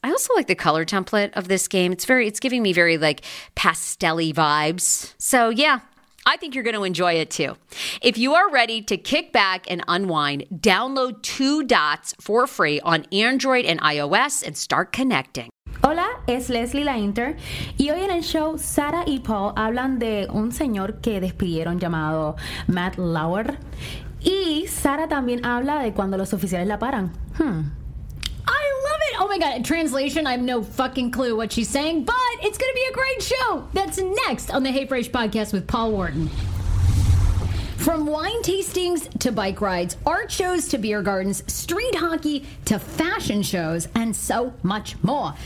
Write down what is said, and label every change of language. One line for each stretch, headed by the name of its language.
English: I also like the color template of this game. It's giving me very like pastel-y vibes. So yeah, I think you're going to enjoy it too. If you are ready to kick back and unwind, download Two Dots for free on Android and iOS and start connecting.
Spanish: Hola, es Leslie La Inter, y hoy en el show Sara y Paul hablan de un señor que despidieron llamado Matt Lauer, y Sara también habla de cuando los oficiales la paran.
English: I love it! Oh my god, translation, I have no fucking clue what she's saying, but it's gonna be a great show! That's next on the Hey Fresh podcast with Paul Wharton. From wine tastings to bike rides, art shows to beer gardens, street hockey to fashion shows, and so much more.